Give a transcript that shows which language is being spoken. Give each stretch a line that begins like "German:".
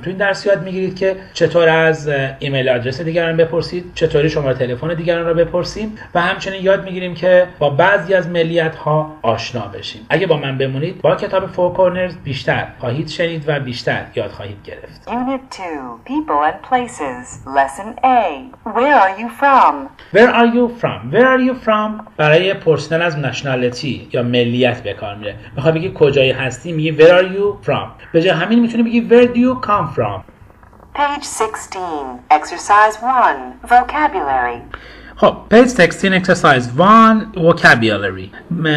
Persian: تو این درس یاد میگیرید که چطور از ایمیل آدرس دیگران بپرسید، چطوری شماره تلفن دیگران رو بپرسیم و همچنین یاد میگیریم که با بعضی از ملیت ها آشنا بشیم. اگه با من بمونید با کتاب فور کورنرز بیشتر خواهید شنید و بیشتر یاد خواهید گرفت.
English: Unit 2 People and Places Lesson A Where are you from? Where are you from? Where are you from?
Persian: برای پرسیدن از نشنالیتی یا ملیت به کار میره. میخوای بگی کجایی هستی، میگی
English: Where are you from.
Persian: به جای همین میتونی بگی
English: Where do you come from. Page 16 Exercise 1 Vocabulary. خب Page 16 Exercise 1 Vocabulary.